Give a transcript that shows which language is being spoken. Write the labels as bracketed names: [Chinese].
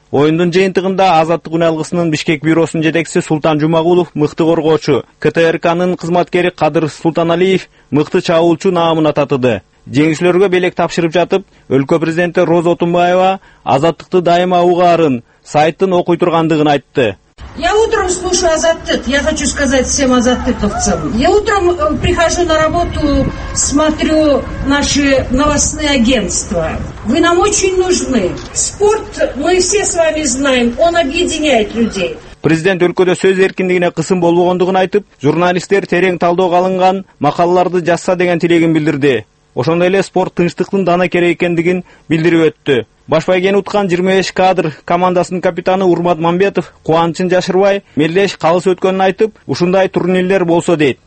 [Kyrgyz] Оюндун жыйынтыгында Азаттык үналгысынын Бишкек бюросунун жетекчиси Султан Жумагулов мыкты коргоочу, КТРКнын кызматкери Кадыр Султаналиев мыкты чабуулчу наамын ататыды. Жеңишлерге белек тапшырып жатып, өлкө президенти Роза Отунбаева азаттыкты дайыма угаарын сайттын окуй тургандыгын айтты. [Russian] Я утром слушаю Азаттык. Я хочу сказать всем азаттыковцам. Я утром прихожу на работу, смотрю наши новостные агентства. Вы нам очень нужны. Спорт, мы все с вами знаем, он объединяет людей. [Kyrgyz] Президент өлкөдө сөз эркиндигине кысым болбогондугун айтып, журналисттер терең талдоого алынган макалаларды жазса деген тилегин билдирди. Ошондой эле спорт тынчтыктын дана керек экендигин билдирип өттү. Баш байгени уткан 25 кадр командасынын капитаны Урмат Мамбетов кубанычын жашырбай, мелдеш калыс өткөнүн айтып, ушундай турнирлер болсо дейт.